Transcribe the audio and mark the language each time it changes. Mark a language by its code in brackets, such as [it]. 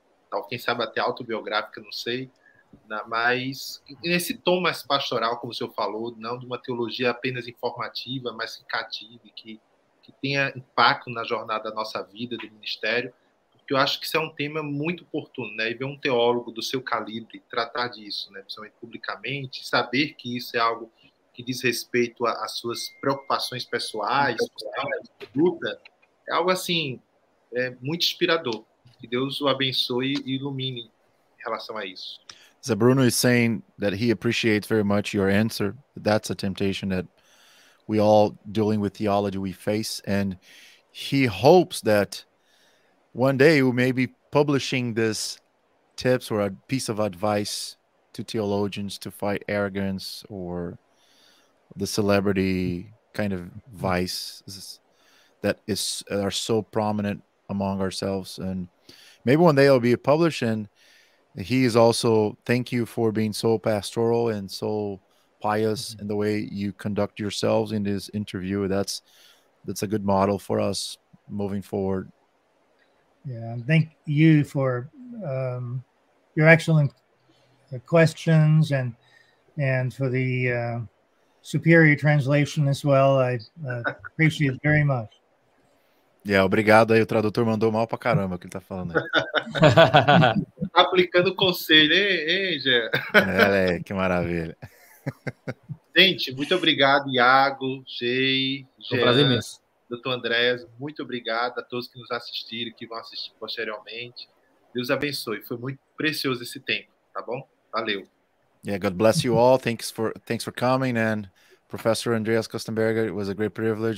[pt] Tal, quem sabe até autobiográfica, não sei. Mas nesse tom mais pastoral, como o senhor falou, não de uma teologia apenas informativa, mas que cative, que tenha impacto na jornada da nossa vida, do ministério, porque eu acho que isso é um tema muito oportuno, né? E ver um teólogo do seu calibre tratar disso, né? Principalmente publicamente, saber que isso é algo que diz respeito às suas preocupações pessoais, é algo assim, muito inspirador. Que Deus o abençoe e ilumine em relação a isso. [en] So Bruno is saying that he appreciates very much your answer. That's a temptation that we all, dealing with theology, we face. And he hopes that one day we may be publishing this tips or a piece of advice to theologians to fight arrogance or the celebrity kind of vices that are so prominent among ourselves. And maybe one day it'll be published. And he is also, thank you for being so pastoral and so pious in the way you conduct yourselves in this interview. That's a good model for us moving forward. Yeah, thank you for your excellent questions and for the superior translation as well. I appreciate it very much. [pt] Yeah, obrigado aí, o tradutor mandou mal pra caramba o que ele tá falando aí. Aplicando conselho, hein, Gê? Que maravilha. Gente, muito obrigado, Iago, Jay, Gê, prazer mesmo. Dr. Andreas, muito obrigado a todos que nos assistiram, que vão assistir posteriormente. Deus abençoe, foi muito precioso esse tempo, tá bom? Valeu. [en] Yeah, God bless you all, thanks for coming, and Professor Andreas Köstenberger, it was a great privilege, and may the Lord keep blessing you in your journey.